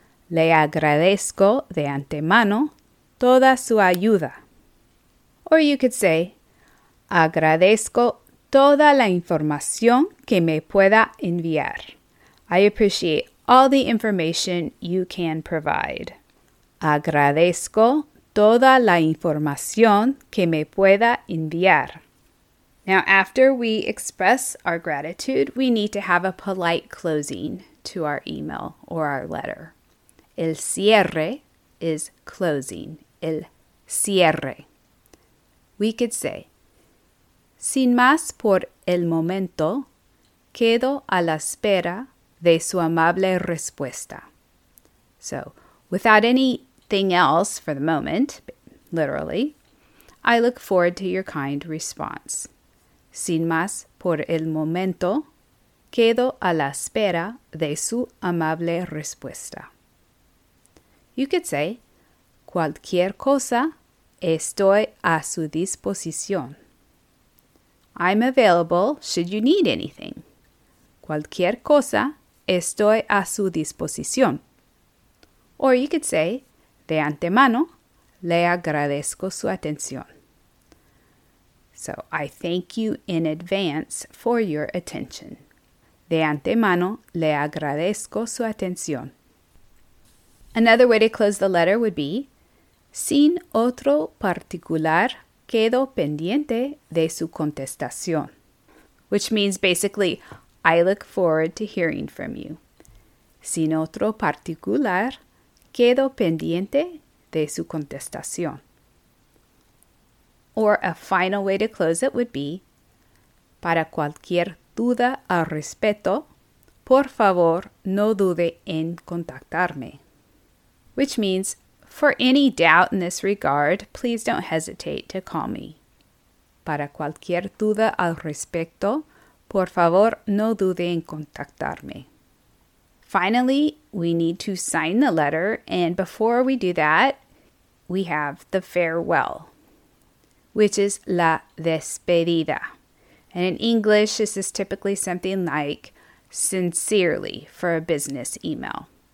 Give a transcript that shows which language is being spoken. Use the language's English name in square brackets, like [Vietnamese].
[Spanish] Le agradezco de antemano toda su ayuda. [English] Or you could say, [Spanish] agradezco toda la información que me pueda enviar. [English] I appreciate all the information you can provide. [Spanish] Agradezco toda la información que me pueda enviar. [English] Now, after we express our gratitude, we need to have a polite closing to our email or our letter. [Spanish] El cierre [English] is closing. [Spanish] El cierre. [English] We could say, [Spanish] sin más por el momento, quedo a la espera de su amable respuesta. [English] So, without anything else for the moment, literally, I look forward to your kind response. [Spanish] Sin más por el momento, quedo a la espera de su amable respuesta. [English] You could say, [Spanish] cualquier cosa, estoy a su disposición. [English] I'm available should you need anything. [Spanish] Cualquier cosa, estoy a su disposición. [English] Or you could say, [Spanish] de antemano, le agradezco su atención. [English] So, I thank you in advance for your attention. [Spanish] De antemano, le agradezco su atención. [English] Another way to close the letter would be, [Spanish] Sin otro particular, quedo pendiente de su contestación. [English] Which means basically, I look forward to hearing from you. [Spanish] Sin otro particular, quedo pendiente de su contestación. [English] Or a final way to close it would be, [Spanish] para cualquier duda al respecto, por favor, no dude en contactarme. [English] Which means, for any doubt in this regard, please don't hesitate to call me. [Spanish] Para cualquier duda al respecto, por favor, no dude en contactarme. [English] Finally, we need to sign the letter, and before we do that, we have the farewell, which is la despedida. And in English, this is typically something like sincerely for a business email.